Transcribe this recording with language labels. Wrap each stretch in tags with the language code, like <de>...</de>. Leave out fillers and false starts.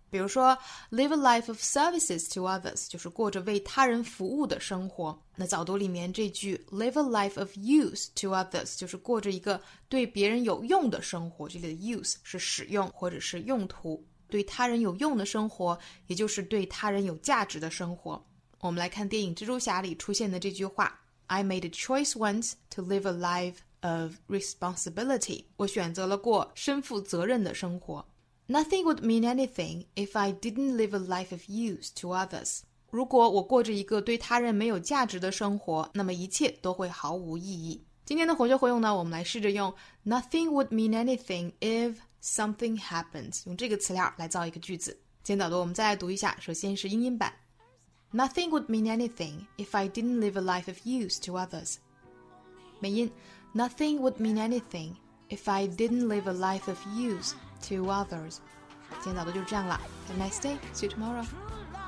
<zh>比如说</zh> <en>live a life of services to others,</en> <zh>就是过着为他人服务的生活。那早读里面这句</zh> <en>live a life of use to others,</en> <zh>就是过着一个对别人有用的生活，这里的 use 是使用或者是用途，对他人有用的生活，也就是对他人有价值的生活。我们来看电影《蜘蛛侠》里出现的这句话</zh> <en>I made a choice once to live a life of responsibility.</en> <zh>我选择了过身负责任的生活。</zh> <en>Nothing would mean anything if I didn't live a life of use to others.</en> <zh>如果我过着一个对他人没有价值的生活，那么一切都会毫无意义。今天的活学活用呢，我们来试着用</zh> <en>Nothing would mean anything if something happens.</en> <zh>用这个词料来造一个句子。今天导读我们再来读一下，首先是英音版。</zh> <en>Nothing would mean anything if I didn't live a life of use to others. 美音 Nothing would mean anything if I didn't live a life of use to others.</en> <zh>今天早读就是这样了</zh> <en>Have a nice day, see you tomorrow.</en>